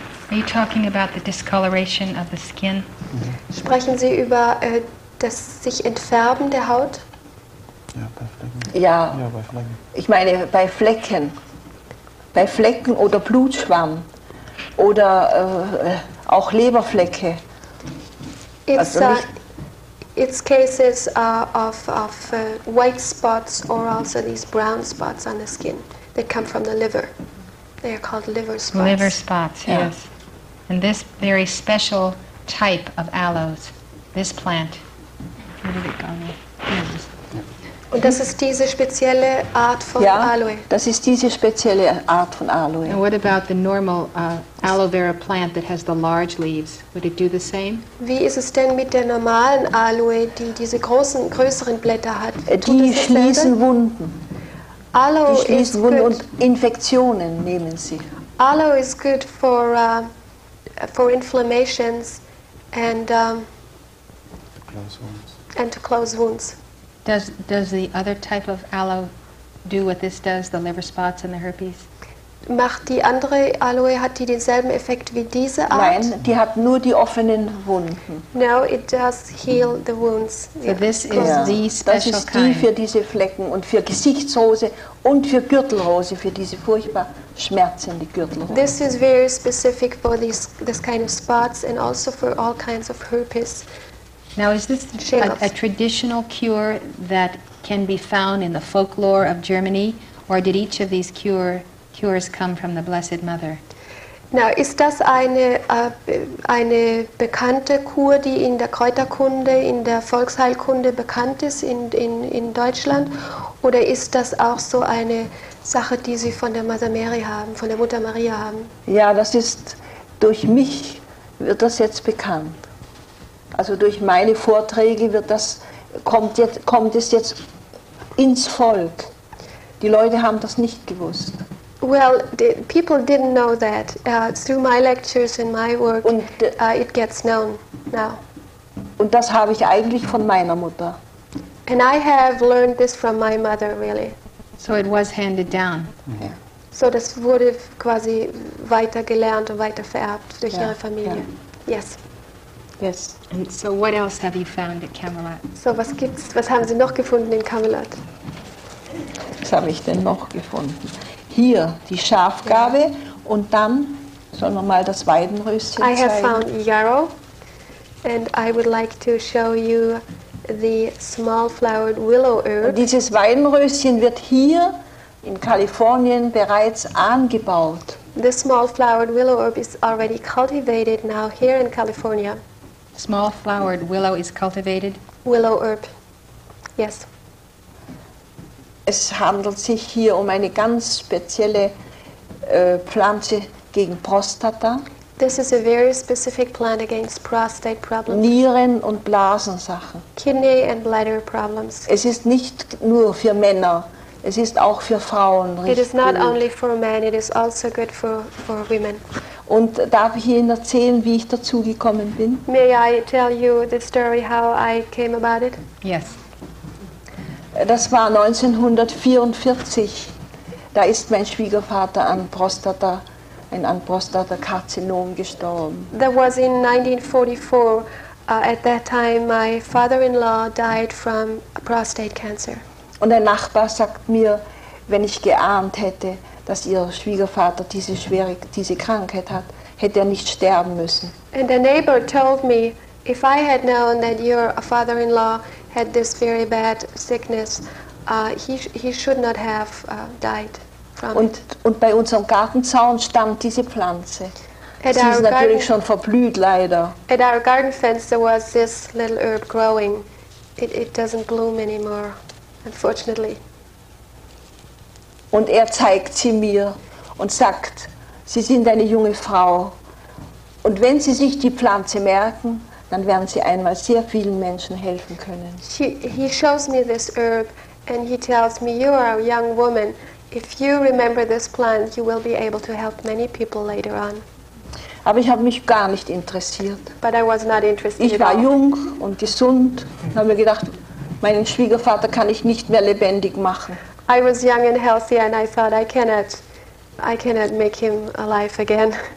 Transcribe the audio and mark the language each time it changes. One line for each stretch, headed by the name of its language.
English: Are you talking about the discoloration of the skin?
German: Sprechen Sie über das sich entfärben der Haut? Ja, bei Flecken. Ich meine, bei Flecken. Bei Flecken oder Blutschwamm oder auch Leberflecke.
English: It's cases of white spots or also these brown spots on the skin that come from the liver. They are called liver spots. Liver spots, yes. Yeah. And this very special type of aloes, this plant. Where did it go?
German: Und das ist diese spezielle Art von Aloe. Ja, das ist diese spezielle Art von Aloe.
English: And what about the normal aloe vera plant that has the large leaves? Would it do the same?
German: Wie ist es denn mit der normalen Aloe, die diese großen, größeren Blätter hat? Die schließen Wunden.
English: Aloe
German: die schließen
English: is
German: Wunden
English: good.
German: Und Infektionen nehmen sie.
English: Aloe is good for inflammations and to close wounds. Does the other type of aloe do what this does, the liver spots and the herpes?
German: Macht die andere Aloe, hat die denselben Effekt wie diese Art? Nein, die hat nur die offenen Wunden.
English: No, it does heal the wounds. So this is the special kind.
German: Das ist die für diese Flecken und für Gesichtsrose und für Gürtelrose, für diese furchtbar schmerzende Gürtelrose.
English: This is very specific for this kind of spots and also for all kinds of herpes. Now, is this a traditional cure that can be found in the folklore of Germany, or did each of these cures come from the Blessed Mother?
German: Now, ist das eine bekannte Kur, die in der Kräuterkunde, in der Volksheilkunde bekannt ist in Deutschland, oder ist das auch so eine Sache, die Sie von der Mother Mary haben, von der Mutter Maria haben? Ja, das ist durch mich wird das jetzt bekannt. Also durch meine Vorträge kommt es jetzt ins Volk. Die Leute haben das nicht gewusst.
English: Well, people didn't know that. Through my lectures and my work, it gets known now.
German: Und das habe ich eigentlich von meiner Mutter.
English: And I have learned this from my mother, really. So it was handed down. Yeah.
German: So das wurde quasi weitergelernt und weitervererbt durch ihre Familie.
English: Yeah. Yes. Yes. And so what else have you found at Camelot?
German: So was gibt's? Was haben Sie noch gefunden in Camelot? Was habe ich denn noch gefunden? Hier die Schafgarbe und dann sollen wir mal das Weidenröschen zeigen.
English: I have found yarrow and I would like to show you the small flowered willow herb.
German: Und dieses Weidenröschen wird hier in Kalifornien bereits angebaut.
English: The small flowered willow herb is already cultivated now here in California. Small flowered willow is cultivated? Willow herb. Yes.
German: Es handelt sich hier um eine ganz spezielle Pflanze gegen Prostata.
English: This is a very specific plant against prostate problems.
German: Nieren- und Blasensachen.
English: Kidney and bladder problems.
German: Es ist nicht nur für Männer, es ist auch für Frauen richtig.
English: It is not only for men, it is also good for women.
German: Und darf ich Ihnen erzählen, wie ich dazu gekommen bin?
English: May I tell you the story how I came about it? Yes.
German: Das war 1944. Da ist mein Schwiegervater an Prostatakarzinom gestorben.
English: That was in 1944. At that time, my father-in-law died from prostate cancer.
German: Und ein Nachbar sagt mir, wenn ich geahnt hätte, dass ihr Schwiegervater diese Krankheit hat, hätte er nicht sterben müssen.
English: And a neighbor told me, if I had known that your father-in-law had this very bad sickness, he should not have died from
German: und,
English: it.
German: Und bei unserem Gartenzaun stand diese Pflanze.
English: At
German: Sie ist natürlich
English: garden,
German: schon verblüht, leider.
English: At our garden fence there was this little herb growing. It doesn't bloom anymore, unfortunately.
German: Und er zeigt sie mir und sagt, Sie sind eine junge Frau. Und wenn Sie sich die Pflanze merken, dann werden Sie einmal sehr vielen Menschen helfen können.
English: He shows me this herb and he tells me, you are a young woman. If you remember this plant, you will be able to help many people later on.
German: Aber ich habe mich gar nicht interessiert.
English: But I was not interested.
German: Ich war jung und gesund und habe mir gedacht, meinen Schwiegervater kann ich nicht mehr lebendig machen.
English: I was young and healthy and I thought I cannot make him alive again.